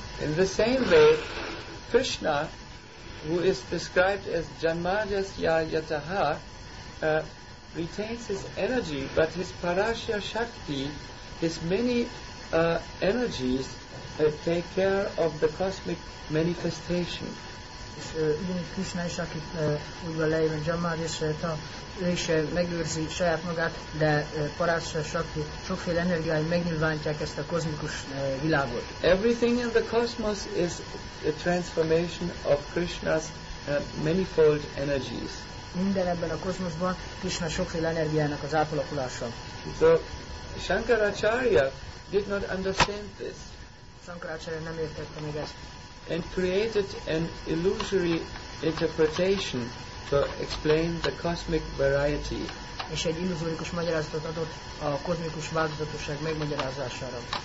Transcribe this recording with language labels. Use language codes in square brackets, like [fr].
[en] In the same way, Krishna, who is described as Janmajasya Yataha, retains his energy, but his Parashya Shakti, his many energies, take care of the cosmic manifestation. [hu] És ugyanis Krishna is, akit úgy van leírva, Janmajasya, ő is megőrzi saját magát, de Parashya Shakti sokféle energiája megnyilvánítják ezt a kozmikus világot. [en] Everything in the cosmos is a transformation of Krishna's manifold energies. [hu] minden ebben a kozmoszban Krishna sokféle energiának az átalakulása. [en] So, Shankaracharya did not understand this. [hu] Shankaracharya nem értette meg ezt. [en] And created an illusory interpretation to explain the cosmic variety. [hu] És egy illuzórikus magyarázatot adott a kozmikus változatosság megmagyarázására.